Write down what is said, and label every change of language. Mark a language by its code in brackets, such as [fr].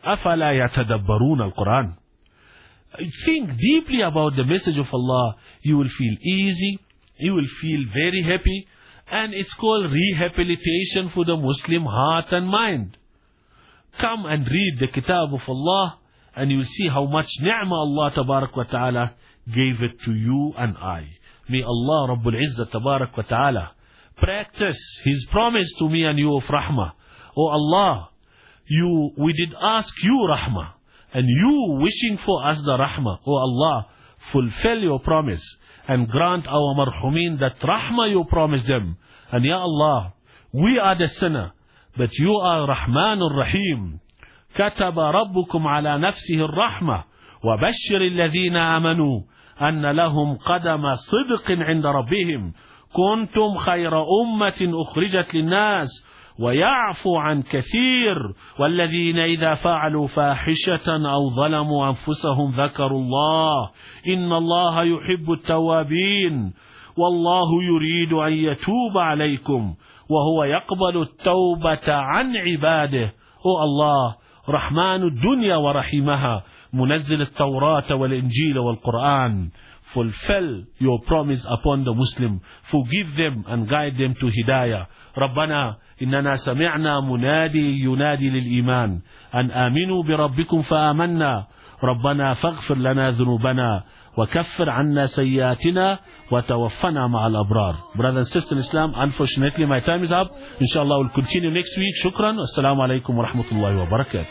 [ar] أَفَلَا يَتَدَبَّرُونَ Quran. [en] Think deeply about the message of Allah. You will feel easy. You will feel very happy. And it's called rehabilitation for the Muslim heart and mind. Come and read the kitab of Allah. And you will see how much ni'mah Allah tabarak wa ta'ala gave it to you and I. May Allah Rabbul Izzah tabarak wa ta'ala practice His promise to me and you of rahmah. Oh Allah, we did ask you rahmah. And you wishing for us the rahmah. Oh Allah, fulfill your promise. And grant our marhumin that rahmah you promised them. And ya Allah, we are the sinner. But you are rahmanur rahim. [ar] كتب ربكم على نفسه الرحمة وبشر الذين آمنوا أن لهم قدم صدق عند ربهم كنتم خير أمة أخرجت للناس ويعفو عن كثير والذين إذا فعلوا فاحشة أو ظلموا أنفسهم ذكروا الله إن الله يحب التوابين والله يريد أن يتوب عليكم وهو يقبل التوبة عن عباده. أو الله رحمن الدنيا ورحيمها منزل التوراة والإنجيل والقرآن. [en] Fulfill your promise upon the Muslim. Forgive them and guide them to Hidayah. [ar] ربنا إننا سمعنا منادي ينادي للإيمان أن آمنوا بربكم فآمنا ربنا فاغفر لنا ذنوبنا وكفر عنا سيئاتنا وتوفنا مع الأبرار. [en] Brother and sister in Islam, unfortunately my time is up. Inshallah we'll continue next week. [ar] شكرا والسلام عليكم ورحمة الله وبركاته.